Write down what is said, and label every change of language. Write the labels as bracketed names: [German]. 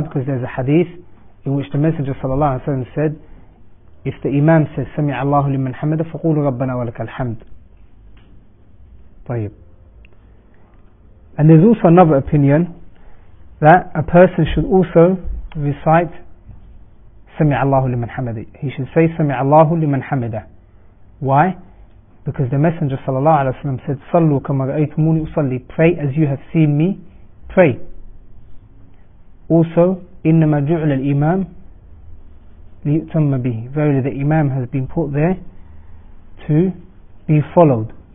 [English] Because there's a hadith in which the Messenger sallallahu alaihi wasallam said, if the imam says [Arabic] سَمِعَ اللَّهُ لِمَنْ حَمَدَ فَقُولُ رَبَّنَا وَلَكَ الْحَمْدُ. طيب. [English] And there's also another opinion that a person should also recite [Arabic] سَمِعَ اللَّهُ لِمَنْ حَمَدَ. [English] He should say [Arabic] سَمِعَ اللَّهُ لِمَنْ حَمَدَ. [English] Why? Because the Messenger sallallahu alaihi wasallam said [Arabic] صَلُّوا كَمَا رَأَيْتُمُونِي أُصَلِّي, [English] pray as you have seen me pray. Also [Arabic] إِنَّمَا جُعْلَ الْإِمَامِ لِيُؤْتَمَّ بِهِ, [English] verily the imam has been put there to be followed.